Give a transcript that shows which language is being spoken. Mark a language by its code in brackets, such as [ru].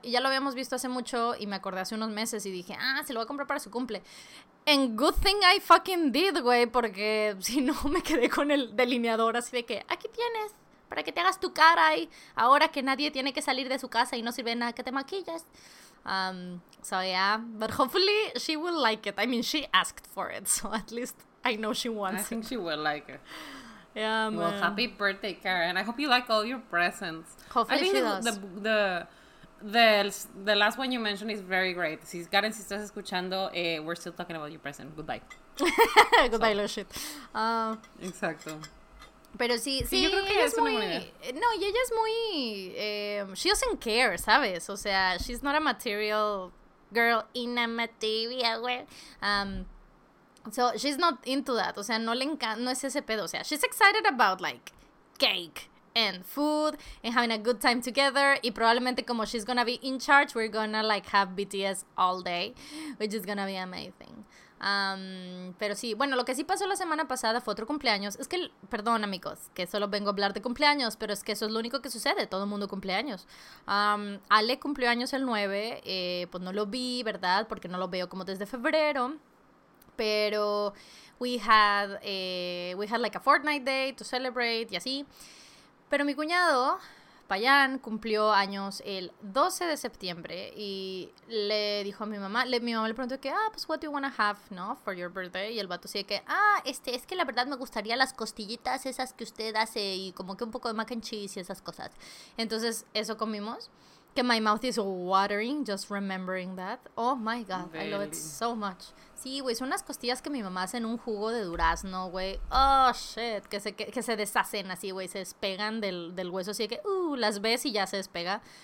[es] Y ya lo habíamos visto hace mucho y me acordé hace unos meses y dije, ah, se lo voy a comprar para su cumple. [en] And good thing I fucking did, [es] güey, porque si no me quedé con el delineador así de que, aquí tienes, para que te hagas tu cara y ahora que nadie tiene que salir de su casa y no sirve nada que te maquilles. [en] But hopefully she will like it. I mean, she asked for it, so at least I know she wants it. I think it. She will like it. Yeah, man. Well, happy birthday, Karen. I hope you like all your presents. Hopefully I think she does. The last one you mentioned is very great. [es] Si, Karen, si estás escuchando, [en] we're still talking about your present. Goodbye. Goodbye, little shit. [es] Exacto. Pero sí, yo creo que ella es muy... No, y ella es muy... [en] she doesn't care, [es] ¿sabes? O sea, [en] she's not a material girl in a material world. So, she's not into that. [es] O sea, no le encanta, no es ese pedo. O sea, [en] she's excited about, like, cake and food and having a good time together. [es] Y probablemente como [en] she's gonna be in charge, we're gonna like have BTS all day, which is gonna be amazing. [es] Pero sí, bueno, lo que sí pasó la semana pasada fue otro cumpleaños. Es que, perdón amigos, que solo vengo a hablar de cumpleaños, pero es que eso es lo único que sucede, todo el mundo cumpleaños. Ale cumplió años el 9, pues no lo vi, ¿verdad? Porque no lo veo como desde febrero. Pero [en] we had like a Fortnite day to celebrate [es] y así. Pero mi cuñado Payán cumplió años el 12 de septiembre y le dijo a mi mamá, mi mamá le preguntó que, ah, pues [en] what do you want to have, [es] ¿no? [en] For your birthday. [es] Y el vato sigue que, ah, es que la verdad me gustaría las costillitas esas que usted hace y como que un poco de [en] mac and cheese [es] y esas cosas. Entonces, eso comimos. Que [en] my mouth is watering just remembering that. Oh my God, I love it so much. [es] Sí, güey, son unas costillas que mi mamá hace en un jugo de durazno, güey. Oh, shit, que se deshacen así, güey. Se despegan del hueso así que, las ves y ya se despega.